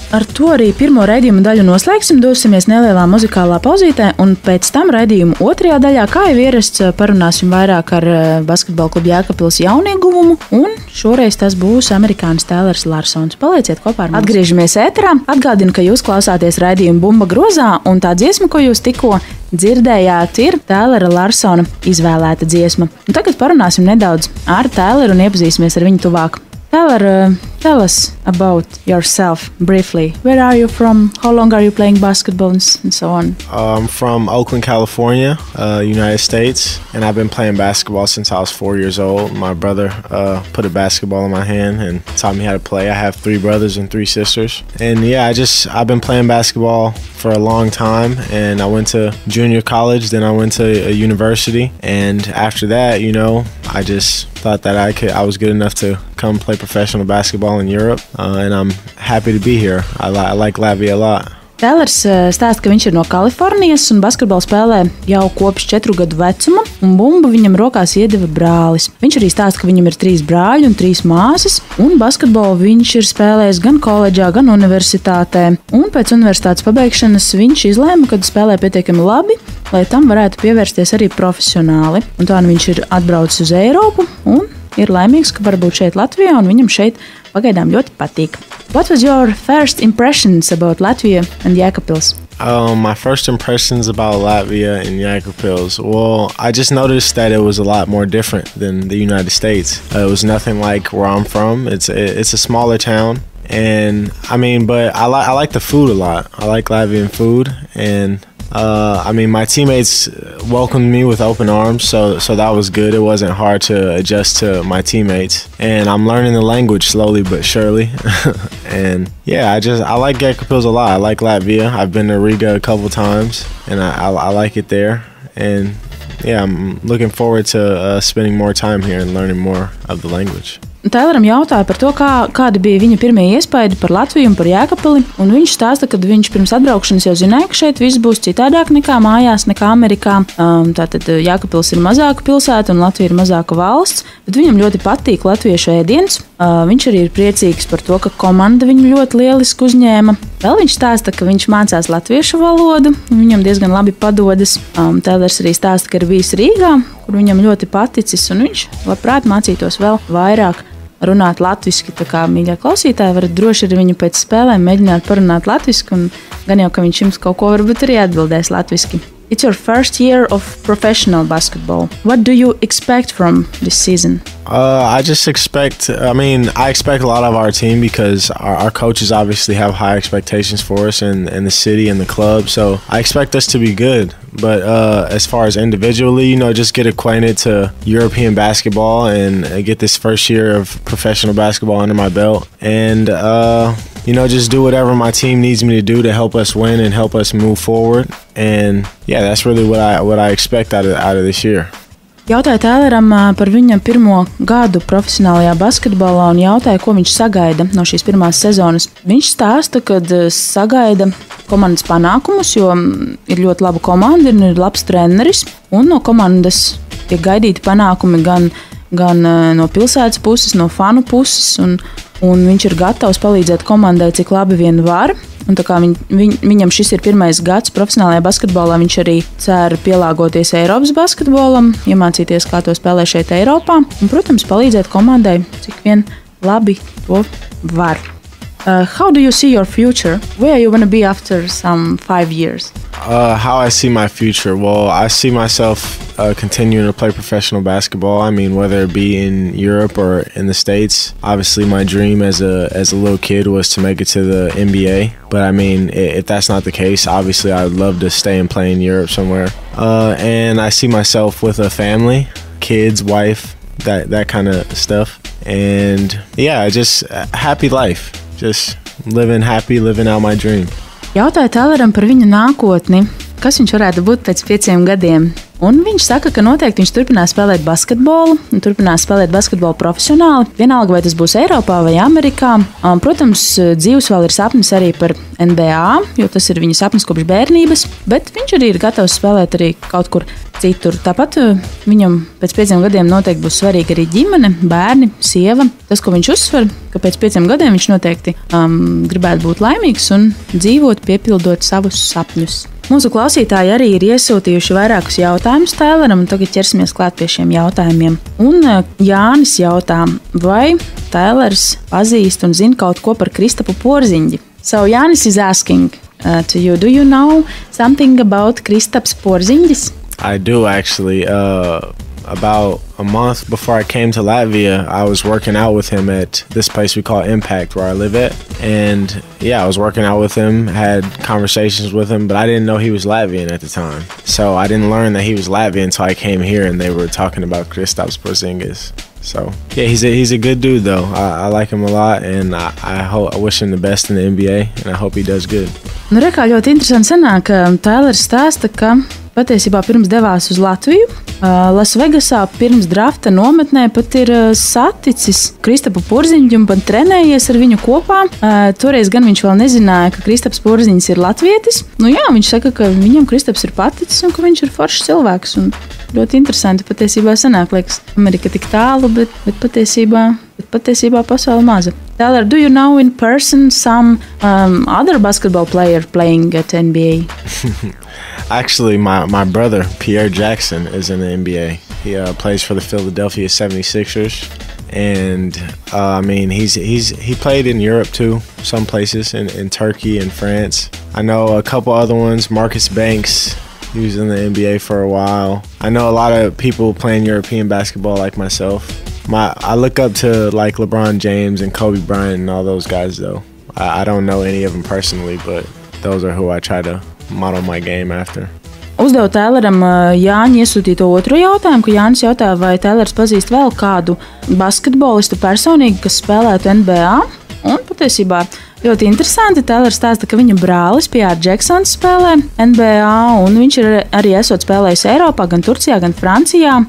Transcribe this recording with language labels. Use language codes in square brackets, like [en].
[lv] Ar to arī pirmo raidījumu daļu noslēgsim, dosimies nelielā muzikālā pauzītē, un pēc tam raidījumu otrajā daļā, kā jau ierasts, parunāsim vairāk ar basketbola klubu Jēkabpils jaunieguvumu, un šoreiz tas būs amerikānis Tēlers Larsons. Palieciet kopā ar mums. Atgriežamies ēterā. Atgādinu, ka jūs klausāties raidījumu Bumba grozā, un tā dziesma, ko jūs tikko dzirdējāt, ir Tēlera Larsona izvēlēta dziesma. Un tagad parunāsim nedaudz ar Tēleru un iepazīsimies ar viņu tuvāk. [en] Tēler, tell us about yourself briefly. Where are you from? How long are you playing basketball and so on? I'm from Oakland, California, United States, and I've been playing basketball since I was 4 years old. My brother put a basketball in my hand and taught me how to play. I have three brothers and three sisters. And yeah, I've been playing basketball for a long time, and I went to junior college, then I went to a university, and after that, you know, I just thought that I was good enough to come play professional basketball in Europe, and I'm happy to be here. I like Latvia a lot. [lv] Tēlers stāsta, ka viņš ir no Kalifornijas un basketbolu spēlē jau kopš 4 gadu vecuma, un bumbu viņam rokās iedeva brālis. Viņš arī stāsta, ka viņam ir 3 brāļi un 3 māsas, un basketbolu viņš ir spēlējis gan koledžā, gan universitātē. Un pēc universitātes pabeigšanas viņš izlēma, kad spēlē pietiekami labi, lai tam varētu pievērsties arī profesionāli. Un tā viņš ir atbraucis uz Eiropu un ir laimīgs, ka var būt šeit Latvijā un viņam šeit pagaidām ļoti patīk. [en] What was your first impressions about Latvia and Jēkabpils? My first impressions about Latvia and Jēkabpils, well, I just noticed that it was a lot more different than the United States. It was nothing like where I'm from. It's a smaller town. And I mean, but I like the food a lot. I like Latvian food, and I mean, my teammates welcomed me with open arms, so that was good. It wasn't hard to adjust to my teammates, and I'm learning the language slowly but surely. And yeah, I like Jēkabpils a lot. I like Latvia. I've been to Riga a couple times, and I like it there. And yeah, I'm looking forward to spending more time here and learning more of the language. [lv] Tēlēram jautāja par to, kāda bija viņa pirmie iespaidi par Latviju un par Jēkabpili, un viņš stāsta, ka viņš pirms atbraukšanas jau zināja, ka šeit viss būs citādāk nekā mājās, nekā Amerikā. Tātad Jēkabpils ir mazāka pilsēta un Latvija ir mazāka valsts, bet viņam ļoti patīk latviešu ēdiens. Viņš arī ir priecīgs par to, ka komanda viņu ļoti lieliski uzņēma. Vēl viņš stāsta, ka viņš mācās latviešu valodu, viņam diezgan labi padodas. Tēlērs arī stāsta, ka ir bijis Rīgā, kur viņam ļoti paticis, un viņš labprāt mācītos vēl vairāk runāt latviski. Tā kā, mīļā klausītāja, varat droši arī viņu pēc spēlēm mēģināt parunāt latviski, un gan jau, ka viņš jums kaut ko varbūt arī atbildēs latviski. [en] It's your first year of professional basketball. What do you expect from this season? I expect a lot of our team because our coaches obviously have high expectations for us and the city and the club. So I expect us to be good. But as far as individually, you know, just get acquainted to European basketball and get this first year of professional basketball under my belt. And, you know, just do whatever my team needs me to do to help us win and help us move forward. And yeah, that's really what I expect out of this year. [lv] Jautāja Tēlēram par viņa pirmo gadu profesionālajā basketbolā un jautāja, ko viņš sagaida no šīs pirmās sezonas. Viņš stāsta, kad sagaida komandas panākumus, jo ir ļoti laba komanda un ir labs treneris, un no komandas tiek gaidīti panākumi gan no pilsētas puses, no fanu puses, un viņš ir gatavs palīdzēt komandai, cik labi vien var. Un tā kā viņam šis ir pirmais gads profesionālajā basketbolā, viņš arī cer pielāgoties Eiropas basketbolam, iemācīties, kā to spēlē šeit Eiropā, un, protams, palīdzēt komandai, cik vien labi to var. [en] How do you see your future? Where you want to be after some 5 years? How I see my future? Well, I see myself continuing to play professional basketball. I mean, whether it be in Europe or in the States. Obviously, my dream as a little kid was to make it to the NBA. But I mean, if that's not the case, obviously, I'd love to stay and play in Europe somewhere. And I see myself with a family, kids, wife, that kind of stuff. And yeah, just happy life. Just living happy, living out my dream. [lv] Jautāja Tēlēram par viņa nākotni, kas viņš varētu būt pēc 5 gadiem. Un viņš saka, ka noteikti viņš turpinās spēlēt basketbolu, un turpinās spēlēt basketbolu profesionāli, vienalga vai tas būs Eiropā vai Amerikā. Protams, dzīves vēl ir sapnis arī par NBA, jo tas ir viņa sapnis kopš bērnības, bet viņš arī ir gatavs spēlēt arī kaut kur citur. Tāpat viņam pēc 5 gadiem noteikti būs svarīga arī ģimene, bērni, sieva. Tas, ko viņš uzsver, ka pēc 5 gadiem viņš noteikti gribētu būt laimīgs un dzīvot, piepildot savus sapņus. Mūsu klausītāji arī ir iesūtījuši vairākus jautājumus Tēlēram, un tagad ķersimies klāt pie šiem jautājumiem. Un Jānis jautā, vai Tēlērs pazīst un zina kaut ko par Kristapu Porziņģi? [en] So, Jānis is asking, do you know something about Kristaps Porziņģis? I do, actually. About a month before I came to Latvia, I was working out with him at this place we call Impact, where I live at. And yeah, I was working out with him, had conversations with him, but I didn't know he was Latvian at the time. So I didn't learn that he was Latvian until I came here and they were talking about Kristaps Porzingis. So yeah, he's a good dude though. I like him a lot and I wish him the best in the NBA and I hope he does good. [lv] Nu, re, kā ļoti interesanti sanāk, Tēlērs stāsta, ka patiesībā pirms devās uz Latviju, Las Vegasā pirms drafta nometnē pat ir saticis Kristapu Porziņģi un pat trenējies ar viņu kopā. Toreiz gan viņš vēl nezināja, ka Kristaps Porziņģis ir latvietis. Nu jā, viņš saka, ka viņam Kristaps ir paticis un ka viņš ir foršs cilvēks. Un ļoti interesanti patiesībā sanāk, liekas, Amerika tik tālu, bet patiesībā pasauli maza. [en] Tēlēr, do you know in person some other basketball player playing at NBA? Actually, my brother, Pierre Jackson, is in the NBA. He plays for the Philadelphia 76ers. And I mean, he played in Europe too, some places in Turkey and France. I know a couple other ones, Marcus Banks. He was in the NBA for a while. I know a lot of people playing European basketball like myself. I look up to like LeBron James and Kobe Bryant and all those guys though. I don't know any of them personally, but those are who I try to model my game after. [lv] Uzdevu Tayloram Jāņa iesūtīto otro jautājumu, ka Jānis jautā, vai Taylors pazīst vēl kādu basketbolistu personīgi, kas spēlētu NBA. Un patiesībā ļoti interesanti, Taylors stāsta, ka viņa brālis P.R. Jacksons spēlē NBA, un viņš ir arī esot spēlējis Eiropā, gan Turcijā, gan Francijā.